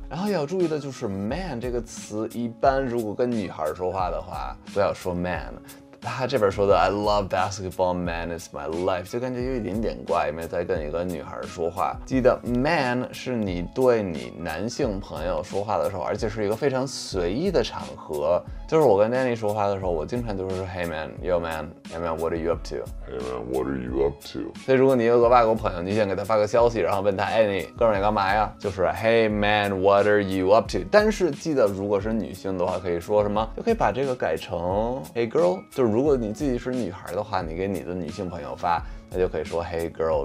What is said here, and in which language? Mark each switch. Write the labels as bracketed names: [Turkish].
[Chinese] 然后要注意的就是 man 这个词，一般如果跟女孩说话的话，不要说 man。他这边说的 [English] I love basketball, man, it's my life， [Chinese] 就感觉有一点点怪，因为在跟一个女孩说话。记得 man 是你对你男性朋友说话的时候，而且是一个非常随意的场合。就是我跟 Danny 说话的时候，我经常就是说 [English] Hey man, yo man, hey man, what are you up to? Hey man, what are you up to? [Chinese] 所以如果你有个外国朋友，你想给他发个消息，然后问他 Hey 你哥们你干嘛呀，就是 [English] Hey man, what are you up to? [Chinese] 但是记得如果是女性的话，可以说什么，就可以把这个改成 [English] Hey girl， [Chinese] 就是如果你自己是女孩的话，你给你的女性朋友发，那就可以说 Hey girl。